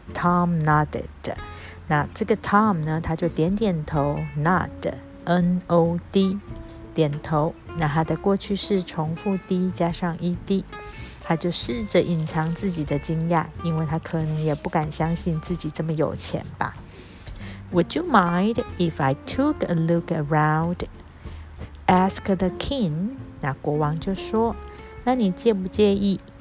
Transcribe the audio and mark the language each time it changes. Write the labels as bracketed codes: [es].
[en] Tom nodded. [zh] 那这个 Tom 呢，他就点点头， nod, N-O-D, 点头。那他的过去式重复 D 加上 ED。他就试着隐藏自己的惊讶，因为他可能也不敢相信自己这么有钱吧。 [en] Would you mind if I took a look around? Ask the king. [zh] 那国王就说，那你介不介意？